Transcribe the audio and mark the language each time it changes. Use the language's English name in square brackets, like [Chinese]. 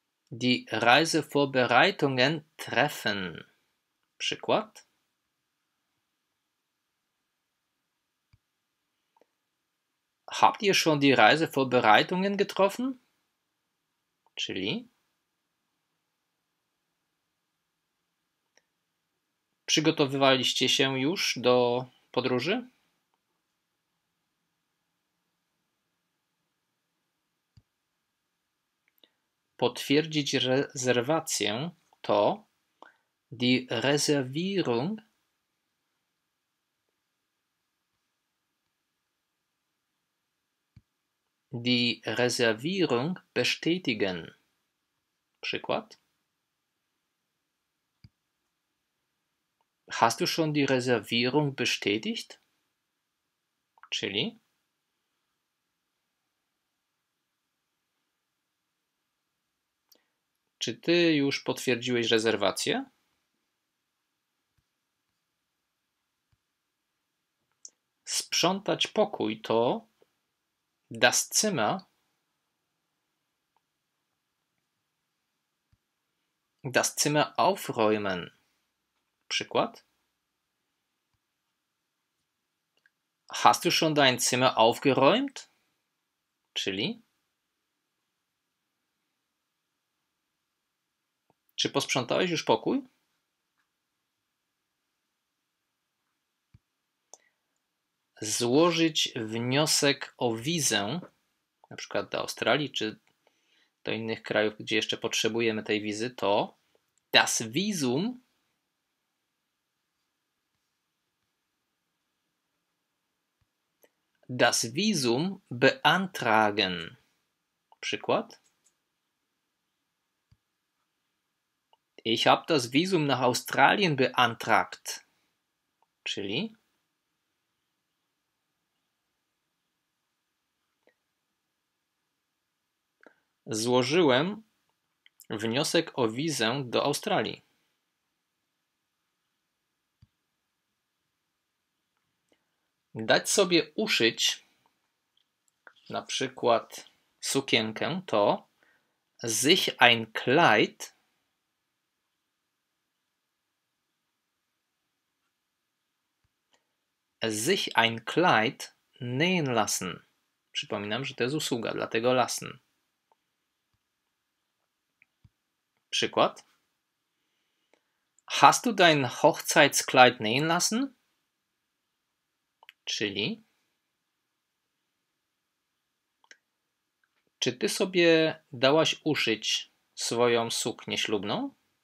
[German] Die Reisevorbereitungen treffen. [Polish] Przykład. [German] Habt ihr schon die Reisevorbereitungen getroffen? [Polish] Czyli przygotowywaliście się już do podróży? Potwierdzić rezerwację to [German] die Reservierung. Die Reservierung bestätigen. [Polish] Przykład. [German] Hast du schon die Reservierung bestätigt? [Polish] Czyli czy ty już potwierdziłeś rezerwację? Sprzątać pokój to [German] das Zimmer. Das Zimmer aufräumen. [Polish] Przykład. [German] Hast du schon dein Zimmer aufgeräumt? [Polish] Czyli czy posprzątałeś już pokój? Złożyć wniosek o wizę, na przykład do Australii czy do innych krajów, gdzie jeszcze potrzebujemy tej wizy, to [German] das Visum. Das Visum beantragen. [Polish] Przykład. [German] Ich habe das Visum nach Australien beantragt. [Polish] Czyli złożyłem wniosek o wizę do Australii. Dać sobie uszyć na przykład sukienkę to [German] sich ein Kleid. Sich ein Kleid nähen lassen. [Polish] Przypominam, że to jest usługa, dlatego lassen. Przykład. [German] Hast du dein Hochzeitskleid nähen lassen? [Polish] Czyli czy ty sobie dałaś uszyć swoją suknię ślubną?